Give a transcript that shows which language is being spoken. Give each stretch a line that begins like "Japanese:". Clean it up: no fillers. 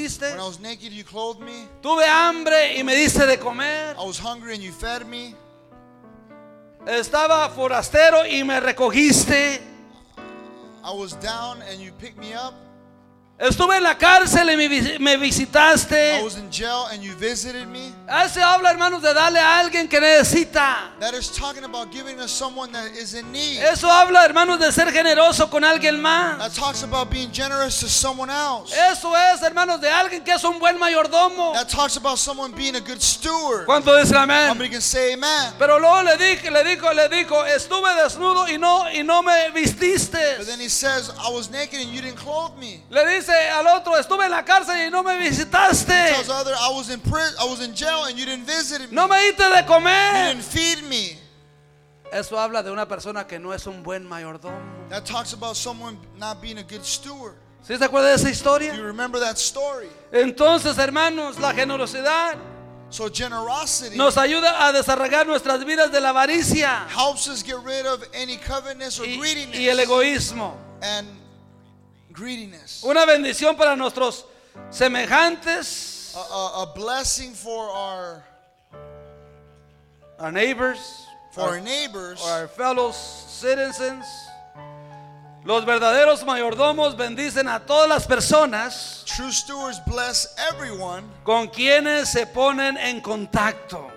English: When I was naked, you clothed me.
Spanish: Tuve hambre y me diste de comer.
English: I was hungry and you fed me.
Spanish: Estaba forastero y me recogiste.
English: I was down and you picked me up.
Spanish: Estuve en la cárcel y me visitaste.
English: I was in jail and you visited me.
Spanish: Ese habla, hermanos, de darle a alguien que necesita.
English: That is talking about giving to someone that is in need.
Spanish: Eso habla, hermanos, de ser generoso con alguien más.
English: That talks about being generous to someone else.
Spanish: Eso es, hermanos, de alguien que es un buen mayordomo.
English: That talks about someone being a good steward.
Spanish: ¿Cuánto dice amén?
English: Somebody can say amen.
Spanish: Pero luego le dijo, estuve desnudo y no me vististe.
English: But then he says, I was naked and you didn't clothe me.
Spanish: Le dice al otro, estuve en la cárcel y no me visitaste.
English: He tells other, I was in prison, I was in jail and you didn't visit me.
Spanish: No me diste de comer.
English: You didn't feed me.
Spanish: Eso habla de una persona que no es un buen mayordomo.
English: That talks about someone not being a good steward.
Spanish: ¿Sí se acuerda de esa historia?
English: Do you remember that story?
Spanish: Entonces, hermanos, la generosidad.
English: So generosity
Spanish: nos ayuda a desarraigar nuestras vidas de la avaricia.
English: Helps us get rid of any covetousness or greediness.
Spanish: Y el egoísmo.
English: And greediness.
Spanish: Una bendición para nuestros semejantes.
English: A blessing for our neighbors. For our neighbors. Or our fellow citizens.
Spanish: Los verdaderos mayordomos bendicen a todas las personas.
English: True stewards bless everyone.
Spanish: Con quienes se ponen en contacto.